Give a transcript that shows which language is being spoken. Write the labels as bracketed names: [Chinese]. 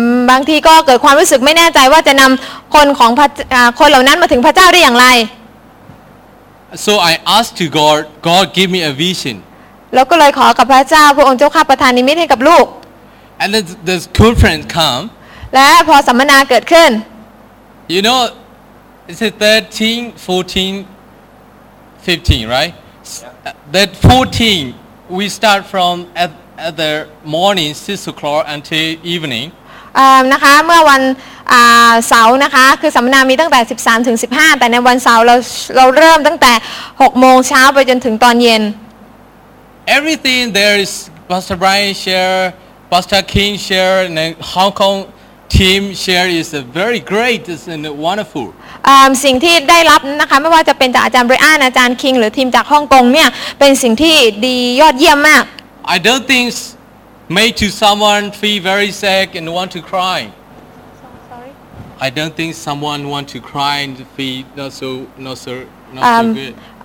[Thai] บางทีก็เกิดความรู้สึกไม่แน่ใจว่าจะนําคนของคนเหล่านั้นมาถึงพระเจ้าได้อย่างไร [English] So I asked to God, God give me a vision. [Thai] แล้วก็เลยขอกับพระเจ้าพระองค์เจ้าข้าประทานนิมิตให้กับลูก [English] And then the conference come. [Thai] และพอสัมมนาเกิดขึ้น [English] You know, it's 13, 14, 15, right? Yeah. That 14, we start from at the morning 6 o'clock until evening. [Thai] นะคะเมื่อวันเสาร์นะคะคือสัมมนามีตั้งแต่13ถึง15แต่ในวันเสาร์เราเริ่มตั้งแต่6โมงเช้าไปจนถึงตอนเย็น [English] Everything there is Pastor Brian share Pastor King share and Hong Kong team share is very great is wonderful [Thai] สิ่งที่ได้รับนะคะไม่ว่าจะเป็นจากอาจารย์ Brian อาจารย์ King หรือทีมจากฮ่องกงเนี่ยเป็นสิ่งที่ดียอดเยี่ยมมาก [English] I don't thinkmake to someone feel very sick and want to cry I don't think someone want to cry and feel not so good